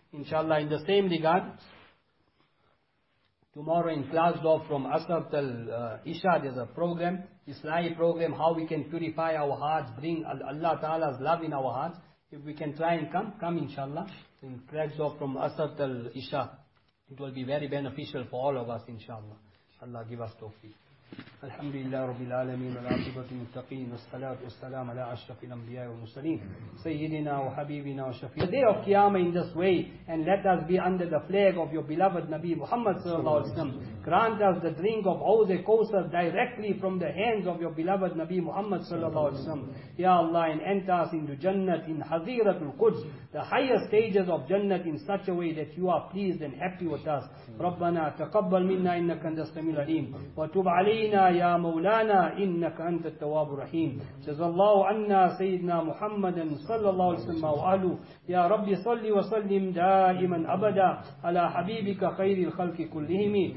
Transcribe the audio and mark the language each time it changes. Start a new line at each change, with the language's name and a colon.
English: Inshallah, in the same regard, tomorrow in class door from Asr till Isha, there's a program, Islahi program, how we can purify our hearts, bring Allah Ta'ala's love in our hearts. If we can try and come inshallah, in class door from Asr till Isha, it will be very beneficial for all of us, inshallah. Allah give us tawfiq.
Arabic: الحمد لله رب العالمين والعاقبة للمتقين والصلاة والسلام على أشرف الأنبياء والمرسلين سيدنا وحبيبنا وشفيعنا.
English: The day of Qiyamah in this way, and let us be under the flag of your beloved Nabi Muhammad sallallahu alaihi wasallam. Grant us the drink of Auza Kawthar directly from the hands of your beloved Nabi Muhammad sallallahu alaihi wasallam. Ya Allah, and enter us into Jannat in Haziratul Quds, the highest stages of Jannat, in such a way that you are pleased and happy with us.
Arabic: ربنا تقبل منا إنك أنت السميع العليم وتب علينا يا مولانا إنك أنت التواب الرحيم. جزا الله عنا سيدنا محمد صلى الله عليه وسلم وأهله. يا ربي صل وسلم دائما أبدا على حبيبك خير الخلق كلهم.